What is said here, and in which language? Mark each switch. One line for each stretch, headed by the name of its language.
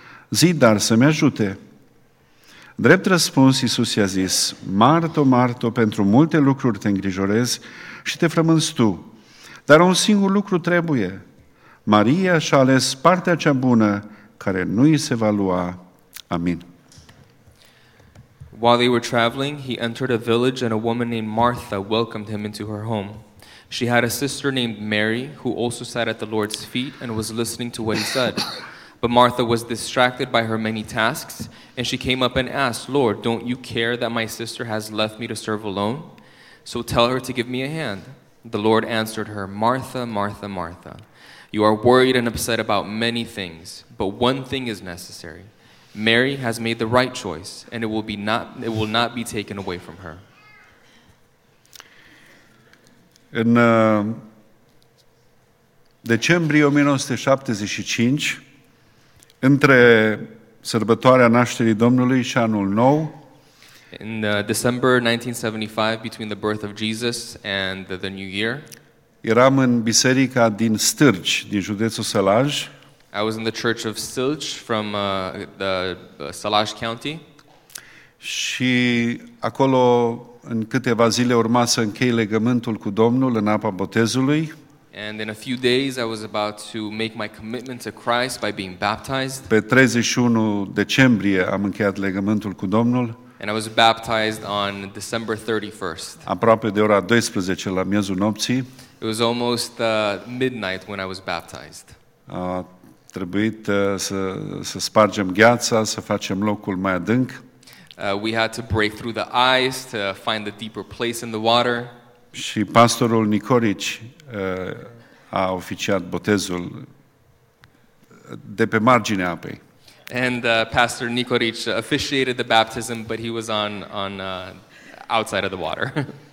Romanian: Zi, dar să-mi ajute! Drept răspuns, Iisus i-a zis: Marto, Marto, pentru multe lucruri te îngrijorezi și te frămânzi tu, dar un singur lucru trebuie. Maria și-a ales partea cea bună, care nu îi se va lua. Amin.
English: While they were traveling, he entered a village and a woman named Martha welcomed him into her home. She had a sister named Mary, who also sat at the Lord's feet and was listening to what he said. But Martha was distracted by her many tasks, and she came up and asked, Lord, don't you care that my sister has left me to serve alone? So tell her to give me a hand. The Lord answered her, Martha, Martha, Martha, you are worried and upset about many things, but one thing is necessary. Mary has made the right choice, and it will not be taken away from her.
Romanian: În decembrie 1975, între sărbătoarea nașterii Domnului și anul nou,
English: in December 1975, between the birth of Jesus and the new year,
Romanian: eram în biserica din Stârci, din județul Sălaj.
English: I was in the church of Stârci from the Sălaj County.
Romanian: Și acolo în câteva zile urma să închei legământul cu Domnul în apa botezului.
English: And in a few days I was about to make my commitment to Christ by being baptized.
Romanian: Pe 31 decembrie am încheiat legământul cu Domnul.
English: And I was baptized on December 31st.
Romanian: Aproape de ora 12 la miezul nopții.
English: It was almost midnight when I was baptized.
Romanian: A trebuit să spargem gheața, să facem locul mai adânc.
English: We had to break through the ice to find the deeper place in the water.
Romanian: Și pastorul Nicorici a oficiat botezul de pe marginea apei.
English: And Pastor Nicorici officiated the baptism, but he was on outside of the water.